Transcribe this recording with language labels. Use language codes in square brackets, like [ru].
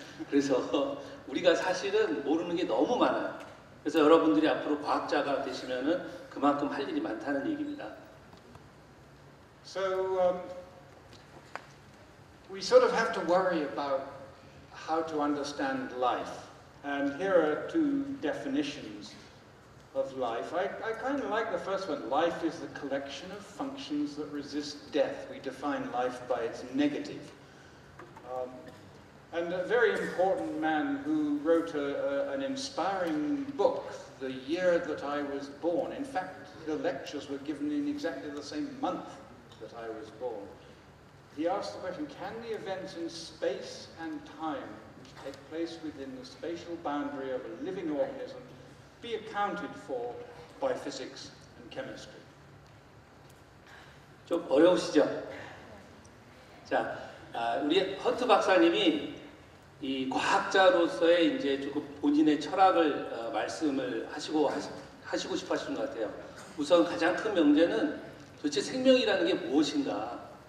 [ko] 그래서 우리가 사실은 모르는 게 너무 많아요. 그래서 여러분들이 앞으로 과학자가 되시면은 그만큼 할 일이 많다는 얘기입니다. [en] So we sort of have to worry about how to understand life. And here are two definitions of life. I kind of like the first one. Life is the collection of functions that resist death. We define life by its negative. And a very important man who wrote an inspiring book, The Year That I Was Born. In fact, the lectures were given in exactly the same month that I was born. He asked the question, can the events in space and time which take place within the spatial boundary of a living organism be accounted for by physics and chemistry? [ko] 좀 어려우시죠? 자, 우리 허트 박사님이 이 과학자로서의 이제 조금 본인의 철학을 말씀을 하시고 싶어 하시는 것 같아요. 우선 가장 큰 명제는 도대체 생명이라는 게 무엇인가.